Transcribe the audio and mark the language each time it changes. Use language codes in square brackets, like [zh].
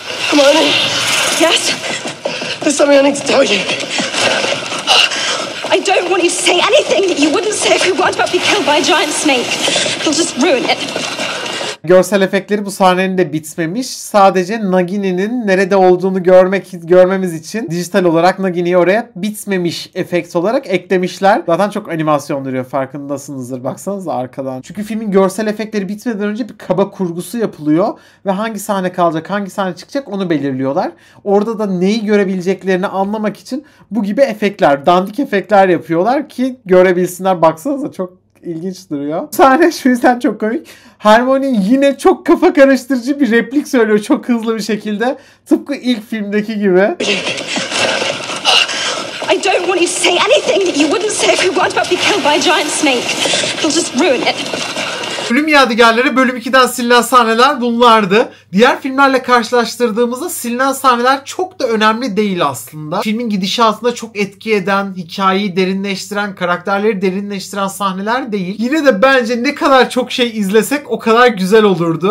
[en] Come on in. Yes. There's something I need to tell you. I don't want you to say anything that you wouldn't say if you weren't about to be killed by a giant snake. It'll just ruin it. [tr] Görsel efektleri bu sahnenin de bitmemiş. Sadece Nagini'nin nerede olduğunu görmemiz için dijital olarak Nagini'yi oraya bitmemiş efekt olarak eklemişler. Zaten çok animasyon duruyor, farkındasınızdır. Baksanıza arkadan. Çünkü filmin görsel efektleri bitmeden önce bir kaba kurgusu yapılıyor. Ve hangi sahne kalacak, hangi sahne çıkacak onu belirliyorlar. Orada da neyi görebileceklerini anlamak için bu gibi efektler, dandik efektler yapıyorlar ki görebilsinler. Baksanıza çok ilginç duruyor. Bu sahne şu yüzden çok komik. Hermione yine çok kafa karıştırıcı bir replik söylüyor çok hızlı bir şekilde. Tıpkı ilk filmdeki gibi. [en] I don't want you to say anything that you wouldn't say if you weren't about to be killed by a giant snake. It'll just ruin it. [tr] Ölüm Yadigarları bölüm 2'den silinen sahneler bunlardı. Diğer filmlerle karşılaştırdığımızda silinen sahneler çok da önemli değil aslında. Filmin gidişatında çok etki eden, hikayeyi derinleştiren, karakterleri derinleştiren sahneler değil. Yine de bence ne kadar çok şey izlesek o kadar güzel olurdu.